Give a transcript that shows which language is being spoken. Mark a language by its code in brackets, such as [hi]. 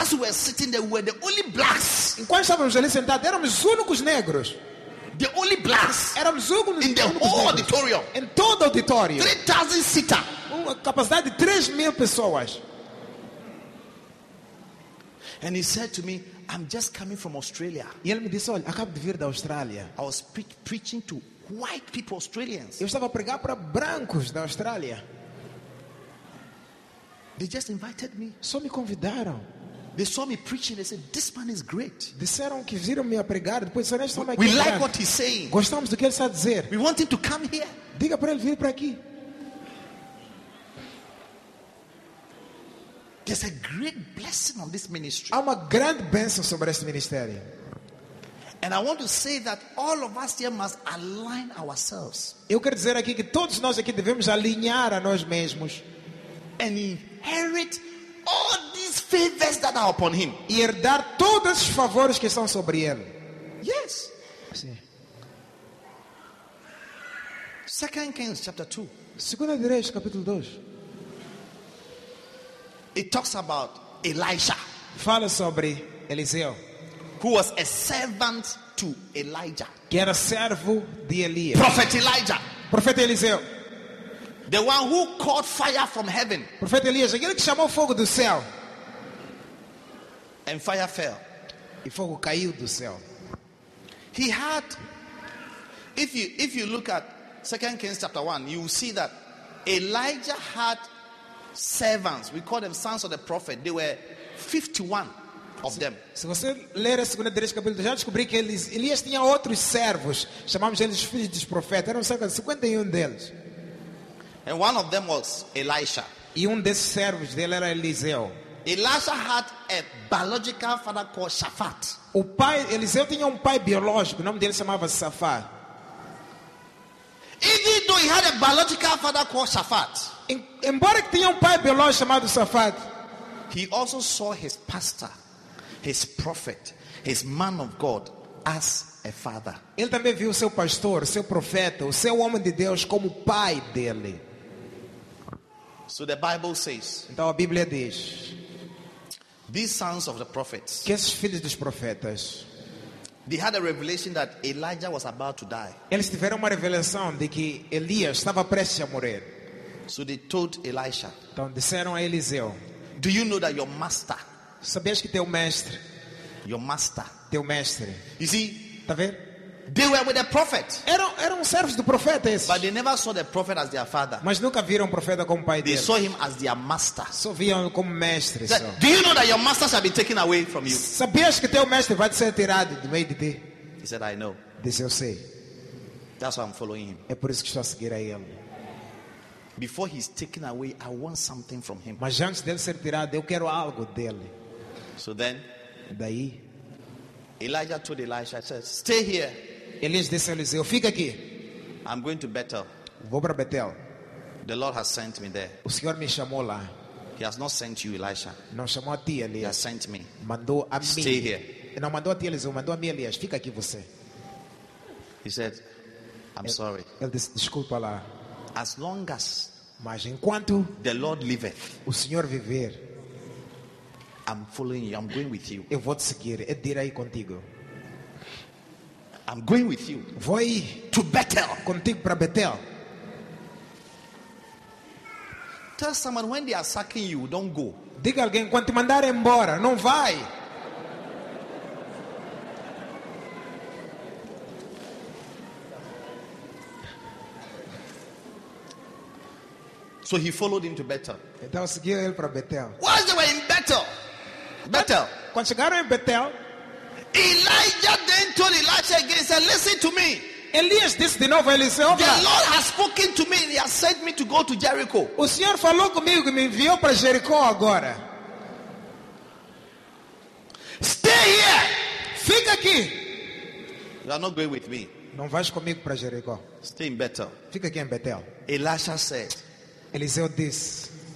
[en] As we were sitting there, we were the only blacks. [pt] Enquanto estávamos ali sentados, éramos os únicos negros. [en] The only blacks. [pt] Éramos os únicos [en] in the whole auditorium. [pt] Em todo o auditório. [en] 3,000 seater. [pt] Uma capacidade de 3,000 pessoas. [en] And he said to me, I'm just coming from Australia. [pt] E ele me disse, olha, acabo de vir da Austrália. [en] I was preaching to white people, Australians. [pt] Eu estava a pregar para brancos da Austrália. [en] They just invited me. [pt] Só me convidaram. [en] They saw me preaching. They said, "This man is great." [pt] Disseram que viram-me a pregar. Depois disseram, "Este homem é [en] great." We like what he's saying. [pt] Gostamos do que ele está a dizer. [en] We want him to come here. [pt] Diga para ele vir para aqui. [en] There's a great blessing on this ministry. [pt] Há uma grande bênção sobre este ministério. [en] And I want to say that all of us here must align ourselves. [pt] Eu quero dizer aqui que todos nós aqui devemos alinhar a nós mesmos. [en] And inherit all these favors that are upon him. [pt] E herdar todos os favores que estão sobre ele. [en] Yes. [pt] Sim. [en] 2 Kings chapter 2. [pt] Segunda de Reis capítulo 2. [en] It talks about Elisha. [pt] Fala sobre Eliseu. [en] Who was a servant to Elijah. [pt] Que era servo de Elias. [en] Prophet Elijah. [pt] Profeta Eliseu. [en] The one who called fire from heaven. [pt] Profeta Elias, aquele que chamou fogo do céu. [en] And fire fell. [pt] E fogo caiu do céu. [en] He had, if you look at 2 Kings chapter 1, you will see that Elijah had servants. We call them sons of the prophet. They were 51 of them. [pt] Se você ler a segunda direita capítulo 2, já descobri que Elias tinha outros servos. Chamamos eles filhos dos profetas. Eram cerca de 51 deles. [en] And one of them was Elisha. [pt] E desses servos dele era Eliseu. [en] Elisha had a biological father called Shaphat. [pt] O pai Eliseu tinha pai biológico. O nome dele chamava Shaphat. [en] Even though he had a biological father called Shaphat. [pt] Embora que tinha pai biológico chamado Shaphat, [en] he also saw his pastor, his prophet, his man of God as a father. [pt] Ele também viu o seu pastor, seu profeta, o seu homem de Deus como pai dele. [en] So the Bible says. [pt] Então a Bíblia diz. [en] These sons of the prophets. [pt] Que esses filhos dos profetas. [en] They had a revelation that Elijah was about to die. [pt] Eles tiveram uma revelação de que Elias estava prestes a morrer. [en] So they told Elisha. [pt] Então disseram a Eliseu. [en] Do you know that your master? [pt] Sabias que teu mestre? [en] Your master. [pt] Teu mestre. [en] You see? [pt] Tá vendo? [en] They were with the prophet. [pt] Eram servos do profeta esses. [en] But they never saw the prophet as their father. [pt] Mas nunca viram o profeta como pai deles. [en] They saw him as their master. [pt] Só viam como mestre. [en] So, do you know that your master shall be taken away from you? [pt] Sabias que teu mestre vai ser tirado do meio de ti? [en] He said, I know. [pt] Disse, eu sei. [en] That's why I'm following him. [pt] É por isso que estou a seguir a ele. [en] Before he's taken away, I want something from him. [pt] Mas antes dele ser tirado, eu quero algo dele. [en] So then, [pt] daí, [en] Elijah told Elisha, says, "Stay here." [pt] Elias disse a Eliseu, "Fica aqui." [en] I'm going to Bethel. [pt] Vou para Betel. [en] The Lord has sent me there. [pt] O Senhor me chamou lá. [en] He has not sent you, Elisha. [pt] Não chamou a ti, Elias. [en] He has sent me. [pt] Mandou a mim. [en] Stay here. [pt] Não mandou a ti, Eliseu. Mandou a mim, Elias. Fica aqui você. [en] He said, "I'm sorry." [pt] Ele disse, desculpa lá. [en] As long as, [pt] mas enquanto [en] the Lord liveth, [pt] o Senhor viver, [en] I'm following you. I'm going with you. [pt] Eu vou te seguir. Eu irei contigo. [en] I'm going with you. [pt] Vou ir to Bethel. Contigo para Bethel. [en] Tell someone when they are sacking you, don't go. [pt] Diga alguém quando te mandar embora, não vai. [en] So he followed him to Bethel. [pt] Então seguiu ele para Bethel. [en] While they were in Bethel. Bethel. [pt] Quando chegaram em Bethel, [en] Elijah then told Elisha again, said, "Listen to me." [pt] Elias disse de novo a Eliseu, [en] "The Lord has spoken to me and he has sent me to go to Jericho." [pt] O Senhor falou comigo e me enviou para Jericó agora. [en] Stay here. [pt] Fica aqui. [en] You are not going with me. [pt] Não vais comigo para Jericó. [en] Stay in Bethel. [pt] Fica aqui em Bethel. [en] Elisha said, [pt] Eliseu disse,